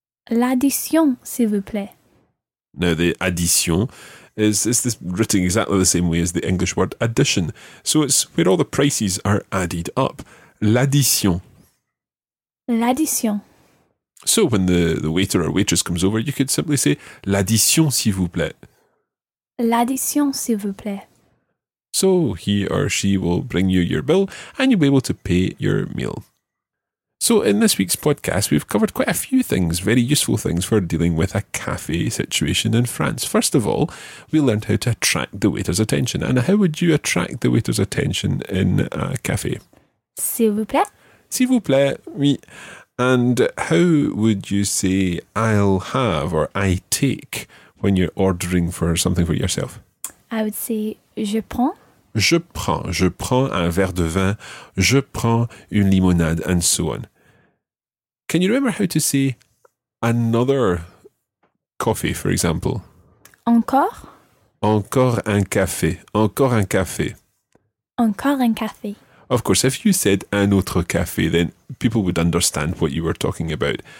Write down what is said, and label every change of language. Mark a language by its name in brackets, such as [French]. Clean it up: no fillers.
[French] L'addition, s'il vous plaît. [English] Now, the addition is this written exactly the same way as the English word addition. So it's where all the prices are added up. [French] L'addition. L'addition. [English] So when the waiter or waitress comes over, you could simply say, l'addition, s'il vous plaît. [French] L'addition, s'il vous plaît. [English] So he or she will bring you your bill and you'll be able to pay your meal. So in this week's podcast, we've covered quite a few things, very useful things for dealing with a café situation in France. First of all, we learned how to attract the waiter's attention. And how would you attract the waiter's attention in a café? [French] S'il vous plaît. S'il vous plaît, oui. [English] And how would you say I'll have or I take when you're ordering for something for yourself? I would say [French] je prends. Je prends. Je prends un verre de vin. Je prends une limonade, [English] and so on. Can you remember how to say another coffee, for example? [French] Encore? Encore un café. Encore un café. Encore un café. [English] Of course, if you said [French] un autre café, [English] then people would understand what you were talking about.